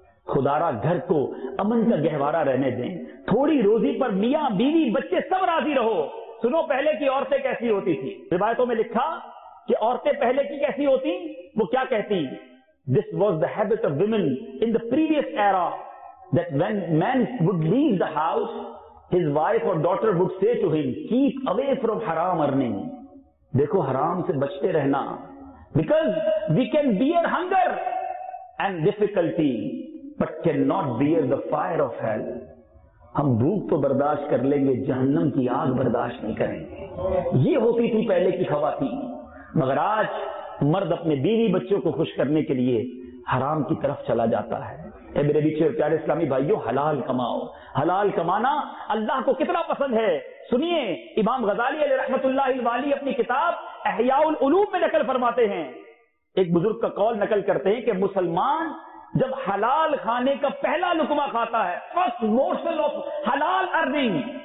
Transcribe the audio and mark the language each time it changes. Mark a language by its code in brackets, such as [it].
[ur] خدا را گھر کو امن کا گہوارہ رہنے دیں، تھوڑی روزی پر میاں بیوی بچے سب راضی رہو۔ سنو پہلے کی عورتیں کیسی ہوتی تھی، روایتوں میں لکھا کہ عورتیں پہلے کی کیسی ہوتی، وہ کیا کہتی؟ [en] This was the habit of women in the previous era that when man would leave the house, his wife or daughter would say to him, keep away from haram earning. [ur] دیکھو حرام سے بچتے رہنا، [en] because we can bear hunger and difficulty but cannot bear the fire of hell. [ur] ہم بھوک تو برداشت کر لیں گے، جہنم کی آگ برداشت نہیں کریں گے۔ یہ ہوتی تھی پہلے کی خواتین، مگر آج مرد اپنے بیوی بچوں کو خوش کرنے کے لیے حرام کی طرف چلا جاتا ہے۔ اے میرے بیچے اور پیارے اسلامی بھائیوں، حلال کماؤ، حلال کمانا اللہ کو کتنا پسند ہے۔ سنیے، امام غزالی علیہ رحمت اللہ الوالی اپنی کتاب احیاء العلوم میں نقل فرماتے ہیں، ایک بزرگ کا قول نقل کرتے ہیں کہ مسلمان جب حلال کھانے کا پہلا لقمہ کھاتا ہے، [en] first morsel of حلال earning,